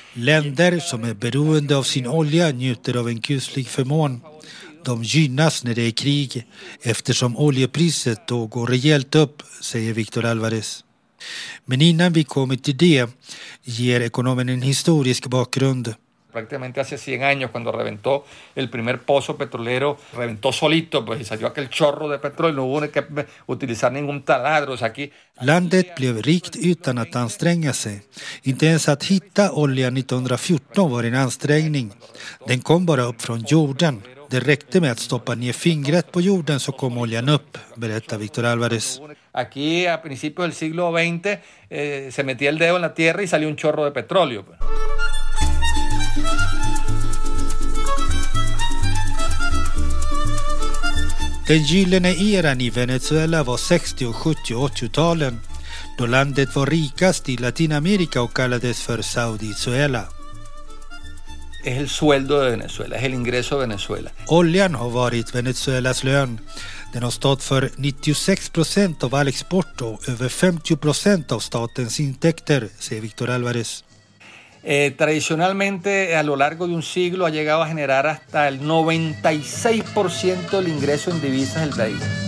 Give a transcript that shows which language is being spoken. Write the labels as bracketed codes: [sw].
[sv] Länder som är beroende av sin olja njuter av en kuslig förmån. De gynnas när det är krig, eftersom oljepriset då går rejält upp, säger Victor Alvarez. Men innan vi kommer till det ger ekonomen en historisk bakgrund. [es] Prácticamente hace 100 años cuando reventó el primer pozo petrolero, reventó solito, pues salió aquel chorro de petróleo, no hubo que utilizar ningún taladro. [sv] Landet blev rikt utan att anstränga sig. Inte ens att hitta olja 1914 var en ansträngning. Den kom bara upp från jorden. Det räckte med att stoppa ner fingret på jorden så kom oljan upp, berättar Victor Alvarez. [es] Aquí a principio del siglo 20 se metía el dedo en la tierra y salió un chorro de petróleo. [sv] Den gyllene eran i Venezuela var 60- och 70- och 80-talen, då landet var rikast i Latinamerika och kallades för Saudizuela. [es] Es el sueldo de Venezuela, es el ingreso de Venezuela. [sv] Oljan har varit Venezuelas lön. Den har stått för 96% av all export och över 50% av statens intäkter, säger Victor Alvarez. [es] Tradicionalmente a lo largo de un siglo ha llegado a generar hasta el 96% del ingreso en divisas del país.